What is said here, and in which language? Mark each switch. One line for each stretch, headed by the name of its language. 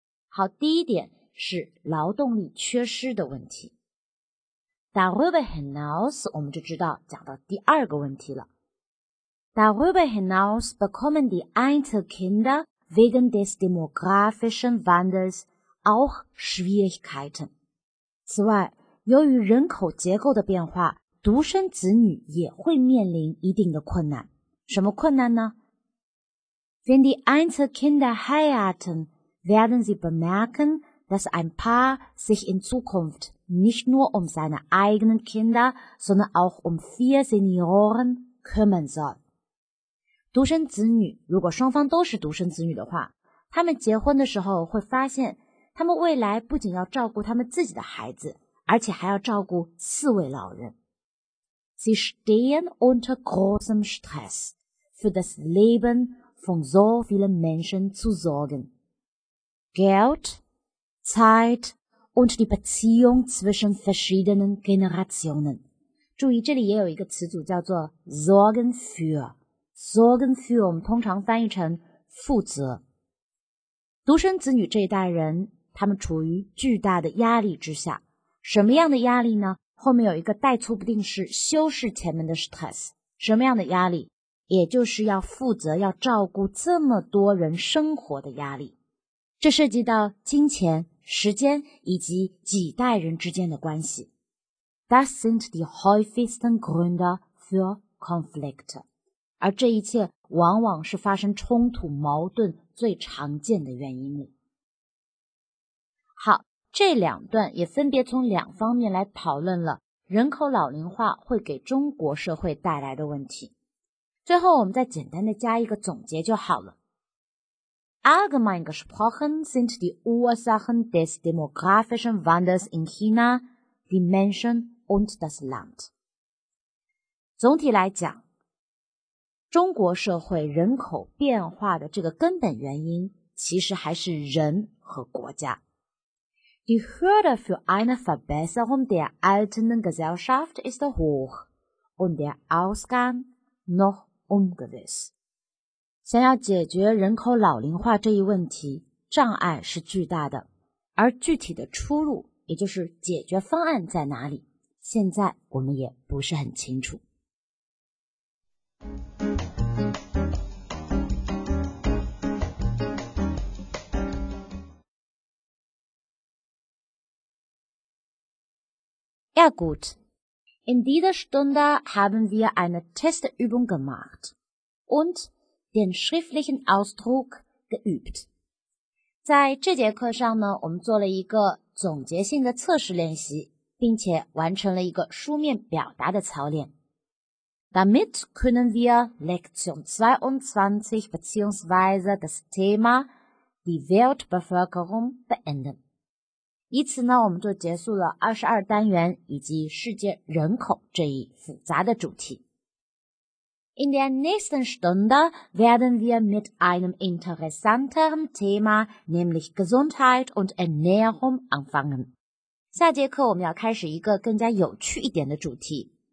Chinese: 好第一点是劳动力缺失的问题。
German: Darüber hinaus,
Chinese: 我们就知道讲到第二个问题了。
German: Darüber hinaus bekommen die Einzelkinder wegen des demografischen Wandels auch Schwierigkeiten.
Chinese: 此外,由于人口结构的变化,独生子女也会面临一定的困难。什么困难呢?
German: Wenn die Einzelkinder heiraten, werden sie bemerken, dass ein Paar sich in Zukunft nicht nur um seine eigenen Kinder, sondern auch um 4 Senioren kümmern soll.
Chinese: 独生子女，如果双方都是独生子女的话，他们结婚的时候会发现，他们未来不仅要照顾他们自己的孩子，而且还要照顾四位老人。
German: Sie stehen unter großem Stress, für das Leben von so vielen Menschen zu sorgen. Geld, Zeit und die Beziehung zwischen verschiedenen Generationen.
Chinese: 注意，这里也有一个词组叫做 sorgen für。 Sorgen für 我们通常翻译成负责。独生子女这一代人，他们处于巨大的压力之下。什么样的压力呢？后面有一个代词不定式修饰前面的 stress。什么样的压力？也就是要负责，要照顾这么多人生活的压力。这涉及到金钱、时间以及几代人之间的关系。
German: Das sind die häufigsten Gründe für Konflikt.
Chinese: 而这一切往往是发生冲突矛盾最常见的原因里。好，这两段也分别从两方面来讨论了人口老龄化会给中国社会带来的问题。最后我们再简单的加一个总结就好了。
German: Allgemein gesprochen sind die Ursachen des demografischen Wandels in China die Menschen und das Land.
Chinese: 总体来讲，中国社会人口变化的这个根本原因其实还是人和国家。
German: Die Hürde für eine Verbesserung der alternden Gesellschaft ist hoch und der Ausgang noch ungewiss.
Chinese: 想要解决人口老龄化这一问题，障碍是巨大的，而具体的出路，也就是解决方案在哪里，现在我们也不是很清楚。
German: Ja gut, in dieser Stunde haben wir eine Testübung gemacht und den schriftlichen Ausdruck geübt.
Chinese: 在这节课上呢，我们做了一个总结性的测试练习，并且完成了一个书面表达的操练。
German: Damit können wir Lektion 22 beziehungsweise das Thema die Weltbevölkerung beenden.
Chinese: 以此呢，我们就结束了22单元以及世界人口这一复杂的主题。
German: In der nächsten Stunde werden wir mit einem interessanteren Thema, nämlich Gesundheit und Ernährung anfangen.
Chinese: 下节课我们要开始一个更加有趣一点的主题。